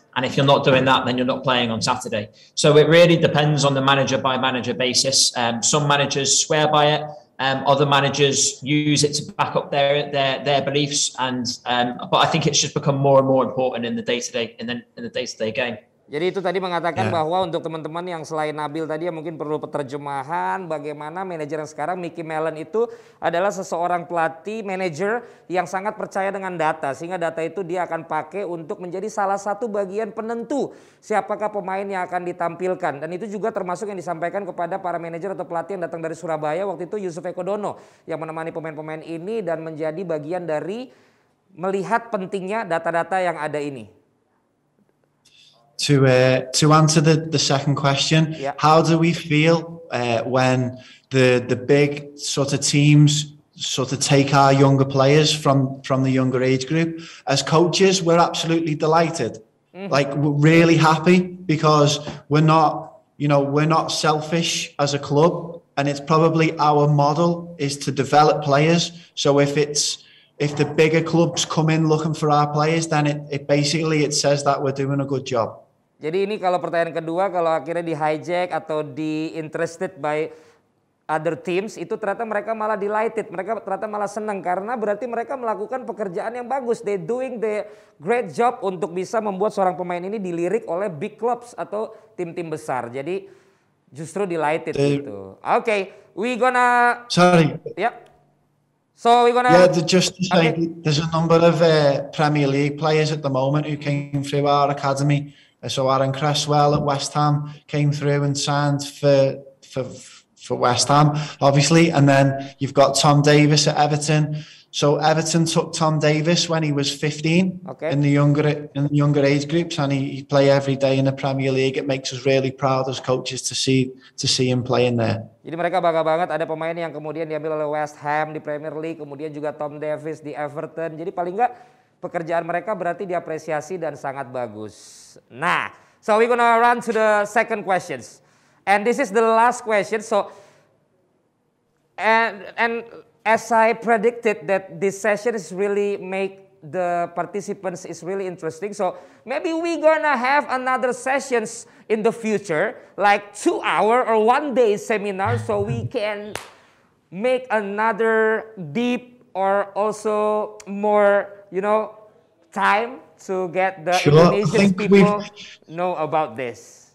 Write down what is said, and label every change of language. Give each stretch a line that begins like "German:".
English: And if you're not doing that, then you're not playing on Saturday. So it really depends on the manager by manager basis. Some managers swear by it. Other managers use it to back up their beliefs, but I think it's just become more and more important in the day-to-day game.
Indonesian: Jadi itu tadi mengatakan bahwa untuk teman-teman yang selain Nabil tadi yang mungkin perlu penerjemahan, bagaimana manajer yang sekarang, Mickey Mellon, itu adalah seseorang pelatih manajer yang sangat percaya dengan data, sehingga data itu dia akan pakai untuk menjadi salah satu bagian penentu siapakah pemain yang akan ditampilkan. Dan itu juga termasuk yang disampaikan kepada para manajer atau pelatih yang datang dari Surabaya waktu itu, Yusuf Ekodono, yang menemani pemain-pemain ini dan menjadi bagian dari melihat pentingnya data-data yang ada ini.
English: To answer the second question, how do we feel when the big sort of teams sort of take our younger players from the younger age group? As coaches, we're absolutely delighted, like we're really happy, because we're not selfish as a club, and it's probably our model is to develop players. So if the bigger clubs come in looking for our players, then it basically says that we're doing a good job.
Indonesian: Jadi ini kalau pertanyaan kedua, kalau akhirnya di hijack atau di
English: interested by other teams
Indonesian: itu ternyata mereka malah delighted, mereka ternyata malah senang karena berarti mereka melakukan pekerjaan yang bagus,
English: they doing the great job
Indonesian: untuk bisa membuat seorang pemain ini dilirik oleh
English: big clubs
Indonesian: atau tim-tim besar. Jadi justru delighted gitu.
English: Okay, we gonna sorry. Yep. So we gonna there's a number of Premier League players at the moment who came through our academy. So Aaron Cresswell at West Ham came through and signed for West Ham, obviously. And then you've got Tom Davis at Everton. So Everton took Tom Davis when he was 15 okay. in the younger age groups, and he play every day in the Premier League. It makes us really proud as coaches to see him playing there.
Indonesian: Jadi mereka bangga banget ada pemain yang kemudian diambil oleh West Ham di Premier League, kemudian juga Tom Davis di Everton. Jadi paling enggak pekerjaan mereka berarti diapresiasi dan sangat bagus.
English: Nah, so we're gonna run to the second questions. And this is the last question. So and as I predicted that this session is really make the participants is really interesting. So maybe we're gonna have another sessions in the future, like 2 hour or 1 day seminar, so we can make another deep or also more, you know, time to get the Indonesian people know about this.